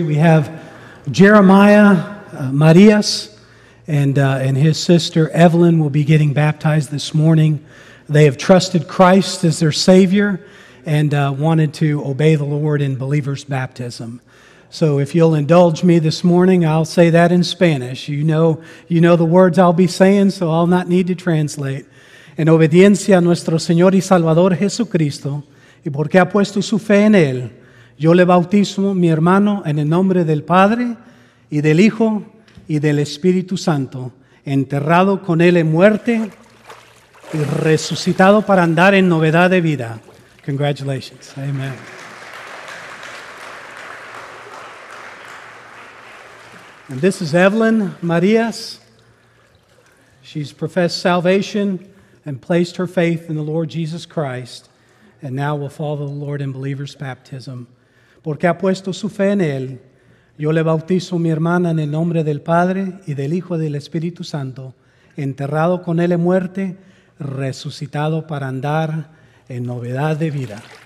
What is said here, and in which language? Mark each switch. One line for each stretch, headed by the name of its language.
English: We have Jeremiah Marias and his sister Evelyn will be getting baptized this morning. They have trusted Christ as their Savior and wanted to obey the Lord in believer's baptism. So if you'll indulge me this morning, I'll say that in Spanish. You know the words I'll be saying, so I'll not need to translate.
Spanish: En obediencia a nuestro Señor y Salvador Jesucristo, y porque ha puesto su fe en Él, yo le bautizo, mi hermano, en el nombre del Padre, y del Hijo, y del Espíritu Santo, enterrado con Él en muerte, y resucitado para andar en novedad de vida.
English: Congratulations. Amen. And this is Evelyn Marias. She's professed salvation and placed her faith in the Lord Jesus Christ, and now will follow the Lord in believer's baptism.
Spanish: Porque ha puesto su fe en él, yo le bautizo mi hermana en el nombre del Padre y del Hijo y del Espíritu Santo, enterrado con él en muerte, resucitado para andar en novedad de vida.